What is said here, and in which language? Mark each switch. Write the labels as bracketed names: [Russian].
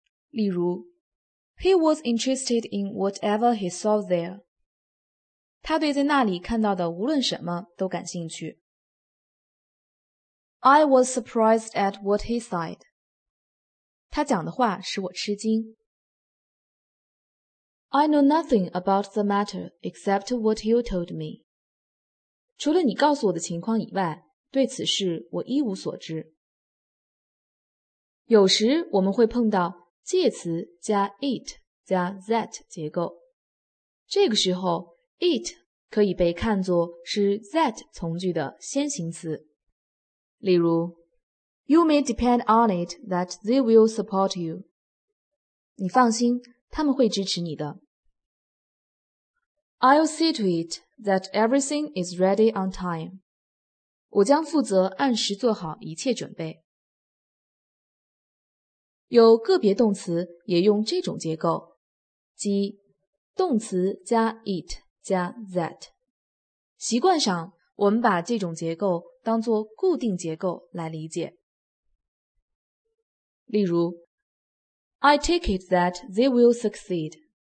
[Chinese] 例如 [English] ,He was interested in whatever he saw there. [Chinese] 他对在那里看到的无论什么都感兴趣。 [English] I was surprised at what he said. [Chinese] 他讲的话使我吃惊。 [English] I know nothing about the matter except what you told me. [Chinese] 除了你告诉我的情况以外，对此事我一无所知。有时我们会碰到介词加 it 加 that 结构，这个时候 it 可以被看作是 that 从句的先行词。例如 [English] ,You may depend on it that they will support you. [Chinese] 你放心，他们会支持你的。 [English] I'll see to it that everything is ready on time. [Chinese] 我将负责按时做好一切准备。有个别动词也用这种结构，即动词加 it 加 that。习惯上，我们把这种结构当作固定结构来理解。例如 [English] ,I take it that they will succeed.